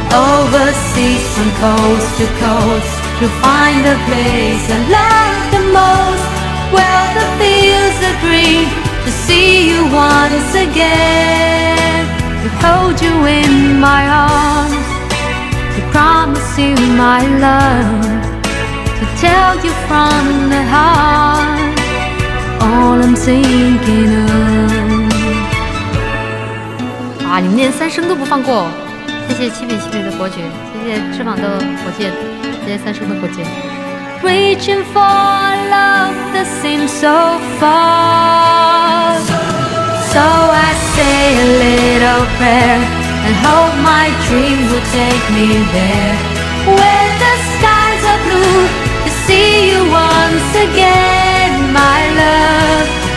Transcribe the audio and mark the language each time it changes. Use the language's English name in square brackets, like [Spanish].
[English] Overseas from coast to coast, you'll find the place I love the most, where the fields are green, to see you once again. To hold you in my arms, to promise you my love, to tell you from the heart all I'm thinking of. [Chinese] 啊，你们连三声都不放过。谢谢七比七比的伯爵，谢谢翅膀的火箭，谢谢三叔的火箭。 [English] Reaching for love that seems so far, so I say a little prayer and hope my dream will take me there, where the skies are blue to see you once again, my love.